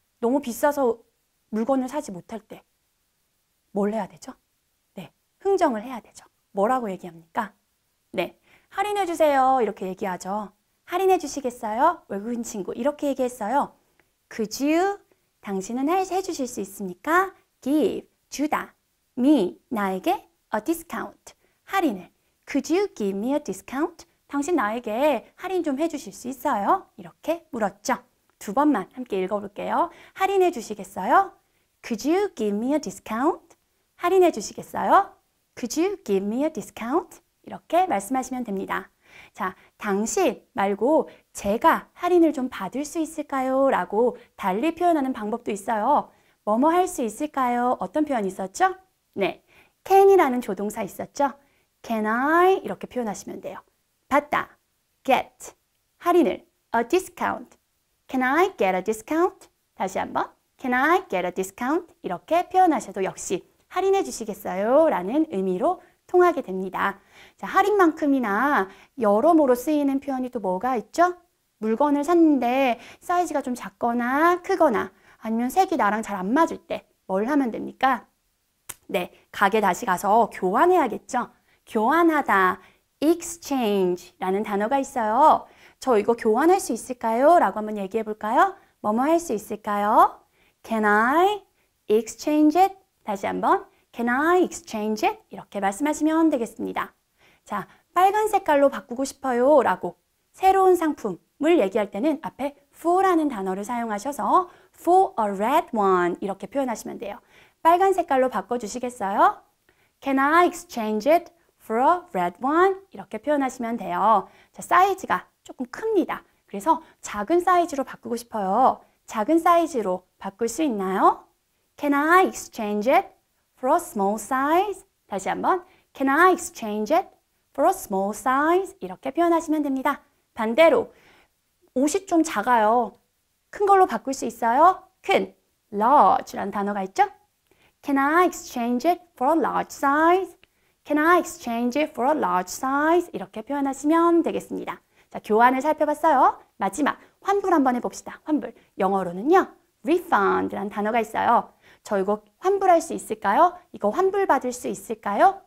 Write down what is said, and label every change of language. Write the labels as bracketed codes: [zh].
[ko] 너무 비싸서 물건을 사지 못할 때 뭘 해야 되죠? 네, 흥정을 해야 되죠. 뭐라고 얘기합니까? 네, 할인해 주세요. 이렇게 얘기하죠. 할인해 주시겠어요? 외국인 친구 이렇게 얘기했어요. [en] Could you? [ko] 당신은 해 주실 수 있습니까? [en] Give, [ko] 주다. [en] Me, [ko] 나에게 [en] a discount, [ko] 할인을. [en] Could you give me a discount? [ko] 당신 나에게 할인 좀 해 주실 수 있어요? 이렇게 물었죠. 두 번만 함께 읽어볼게요. 할인해 주시겠어요? [en] Could you give me a discount? [ko] 할인해 주시겠어요? [en] Could you give me a discount? [ko] 이렇게 말씀하시면 됩니다. 자, 당신 말고 제가 할인을 좀 받을 수 있을까요? 라고 달리 표현하는 방법도 있어요. 뭐뭐 할 수 있을까요? 어떤 표현이 있었죠? 네, can이라는 조동사 있었죠? [en] Can I? [ko] 이렇게 표현하시면 돼요. 받다, [en] get, [ko] 할인을, [en] a discount. Can I get a discount? 다시 한번, can I get a discount? [ko] 이렇게 표현하셔도 역시 할인해 주시겠어요? 라는 의미로 통하게 됩니다. 자, 할인만큼이나 여러모로 쓰이는 표현이 또 뭐가 있죠? 물건을 샀는데 사이즈가 좀 작거나 크거나 아니면 색이 나랑 잘 안 맞을 때 뭘 하면 됩니까? 네, 가게 다시 가서 교환해야겠죠? 교환하다, exchange라는 단어가 있어요. 저 이거 교환할 수 있을까요? 라고 한번 얘기해 볼까요? 뭐뭐 할 수 있을까요? [en] Can I exchange it? [ko] 다시 한번 [en] Can I exchange it? [ko] 이렇게 말씀하시면 되겠습니다. 자, 빨간 색깔로 바꾸고 싶어요 라고 새로운 상품을 얘기할 때는 앞에 for라는 단어를 사용하셔서 [en] for a red one [ko] 이렇게 표현하시면 돼요. 빨간 색깔로 바꿔주시겠어요? [en] Can I exchange it for a red one? [ko] 이렇게 표현하시면 돼요. 자, 사이즈가 조금 큽니다. 그래서 작은 사이즈로 바꾸고 싶어요. 작은 사이즈로 바꿀 수 있나요? [en] Can I exchange it for a small size? [ko] 다시 한번 [en] Can I exchange it for a small size? [ko] 이렇게 표현하시면 됩니다. 반대로 옷이 좀 작아요. 큰 걸로 바꿀 수 있어요? 큰, large라는 단어가 있죠? [en] Can I exchange it for a large size? Can I exchange it for a large size? [ko] 이렇게 표현하시면 되겠습니다. 자, 교환을 살펴봤어요. 마지막, 환불 한번 해봅시다. 환불, 영어로는요, refund라는 단어가 있어요. 저 이거 환불할 수 있을까요? 이거 환불 받을 수 있을까요?